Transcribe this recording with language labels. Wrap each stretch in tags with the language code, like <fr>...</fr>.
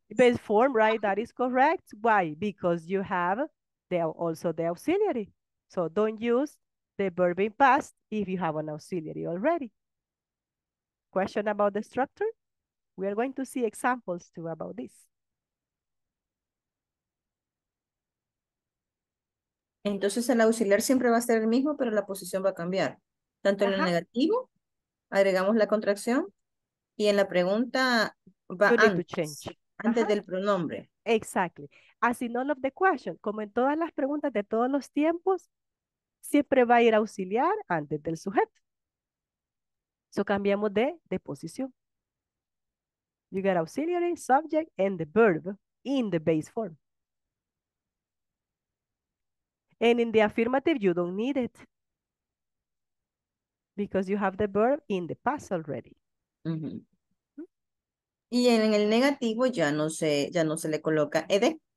<en>Base form, right? That is correct. Why? Because you have the, also the auxiliary. So don't use the verb in past if you have an auxiliary already. Question about the structure? We are going to see examples too about this.</en> <es>Entonces el auxiliar siempre va a ser el mismo, pero la posición va a cambiar. Tanto en el negativo, agregamos la contracción, y en la pregunta va antes del pronombre.</es> <en>Exactly. As in all of the questions,</en> <es>como en todas las preguntas de todos los tiempos, siempre va a ir auxiliar antes del sujeto. So cambiamos de posición.</es> <en>You got auxiliary, subject, and the verb in the base form. And in the affirmative, you don't need it because you have the verb in the past already. Mm-hmm.</en> <es>Y en el negativo ya no se le coloca ed.</es>